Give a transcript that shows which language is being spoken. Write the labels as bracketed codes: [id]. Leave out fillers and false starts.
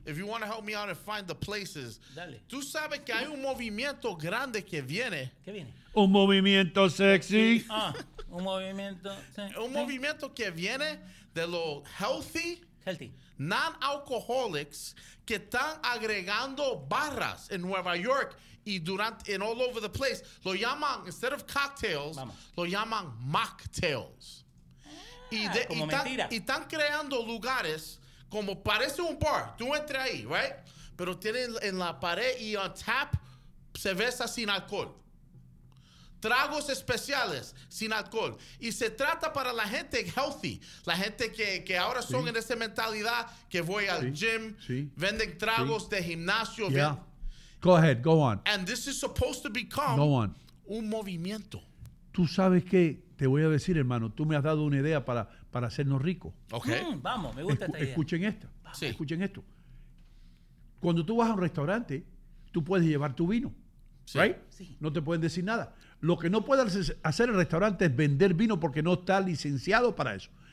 [en] If you want to help me out and find the places. [es] Dale. Tú sabes que hay un movimiento grande que viene. ¿Qué viene? Un movimiento sexy. Sí. Un movimiento. Movimiento que viene de lo healthy... Non-alcoholics que están agregando barras en Nueva York y durante en [en] all over the place. [es] Lo llaman, [en] instead of cocktails, [es] lo llaman mocktails. Y están creando lugares como parece un bar. Tú entras ahí, right? Pero tienen en la pared y on tap cerveza sin alcohol. Tragos especiales sin alcohol. Y se trata para la gente healthy. La gente que ahora son en esa mentalidad que voy al gym, venden tragos de gimnasio. [en] Yeah. Go ahead, go on. And this is supposed to become [es] un movimiento. Tú sabes qué, te voy a decir, hermano, tú me has dado una idea para hacernos ricos. Ok. Vamos, me gusta esta idea. Escuchen esto. Sí. Escuchen esto. Cuando tú vas a un restaurante, tú puedes llevar tu vino. Sí. [en] Right? [es] Sí. No te pueden decir nada. Lo que no puede hacer el restaurante es vender vino porque no está licenciado para eso.